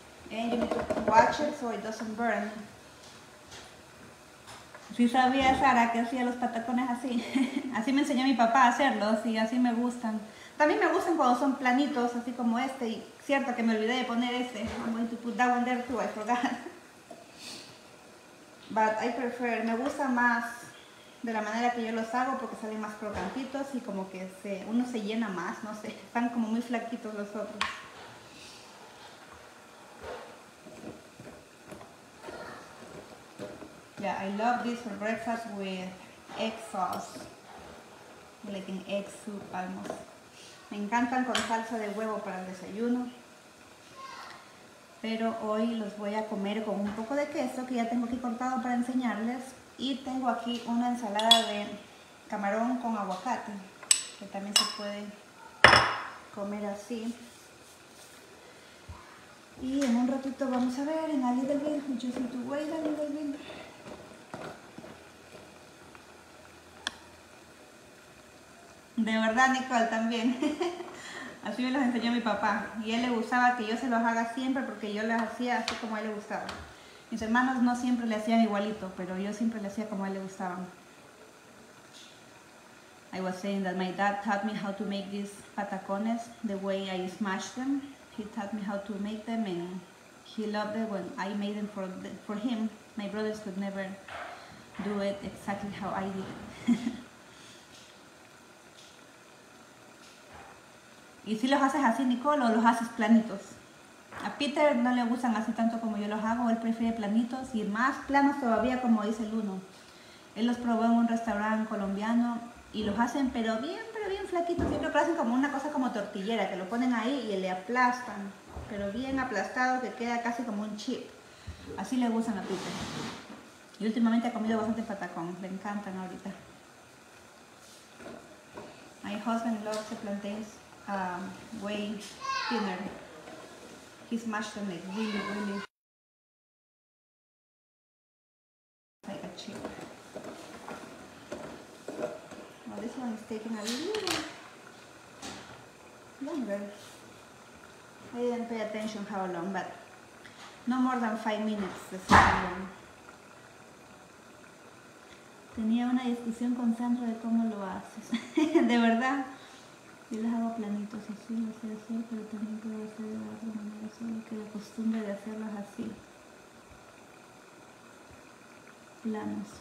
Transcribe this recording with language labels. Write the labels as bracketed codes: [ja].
[en] And you need to watch it so it doesn't burn. [es] Sí sabía Sara que hacía los patacones así. Así me enseñó mi papá a hacerlos y así me gustan. También me gustan cuando son planitos, así como este. Y cierto que me olvidé de poner este. [en] I'm going to put that one there too, I forgot. But I prefer, [es] me gusta más de la manera que yo los hago porque salen más crocantitos y como que uno se llena más, no sé. Están como muy flaquitos los otros. [en] Yeah, I love this for breakfast with egg sauce. Like an egg soup almost. [es] Me encantan con salsa de huevo para el desayuno. Pero hoy los voy a comer con un poco de queso que ya tengo aquí cortado para enseñarles. Y tengo aquí una ensalada de camarón con aguacate, que también se puede comer así. Y en un ratito vamos a ver, en [en] a little bit, just need to wait a little bit. [es] De verdad, Nicole, también. Así me los enseñó mi papá. Y él le gustaba que yo se los haga siempre porque yo las hacía así como a él le gustaba. Mis hermanos no siempre le hacían igualito, pero yo siempre le hacía como a él le gustaba. [en] I was saying that my dad taught me how to make these patacones the way I smashed them. He taught me how to make them and he loved it when I made them for him. My brothers could never do it exactly how I did it. [es] ¿Y si los haces así, Nicole, o los haces planitos? A Peter no le gustan así tanto como yo los hago. Él prefiere planitos y más planos todavía, como dice Luno. Él los probó en un restaurante colombiano y los hacen pero bien flaquitos. Siempre lo hacen como una cosa como tortillera, que lo ponen ahí y le aplastan. Pero bien aplastado, que queda casi como un chip. Así le gustan a Peter. Y últimamente ha comido bastante patacón. Le encantan ahorita. [en] My husband loves the plantains. Way thinner. He smashed them like really, really like a chip. Well, this one is taking a little longer. I didn't pay attention how long, but no more than 5 minutes the second one. [es] Tenía una discusión con Sandra de cómo lo haces. De verdad. Yo les hago planitos así, no sé hacer, pero también puedo hacer de otra manera solo. costumbre de hacerlos así. Planos.